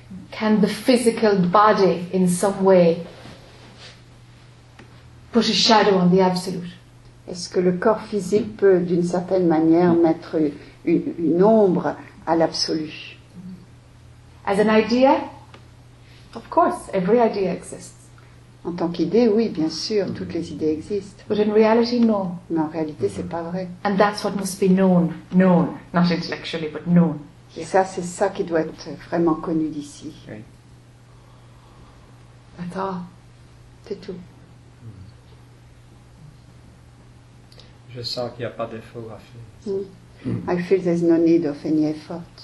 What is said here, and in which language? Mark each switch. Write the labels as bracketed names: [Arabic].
[English] Can the physical body in some way put a shadow on the absolute? [French] Est-ce que le corps physique peut, d'une certaine manière, mettre une ombre à l'absolu? [English] As an idea, of course, every idea exists. [French] En tant qu'idée, oui, bien sûr, toutes les idées existent. [English] But in reality, no. [French] Mais en réalité, c'est pas vrai. [English] And that's what must be known, not intellectually, but known. [French] Et ça, c'est ça qui doit être vraiment connu d'ici. [English] Right. That's all. [French] C'est tout. Je sens qu'il n'y a pas d'effort à faire. [English] I feel there's no need of any effort.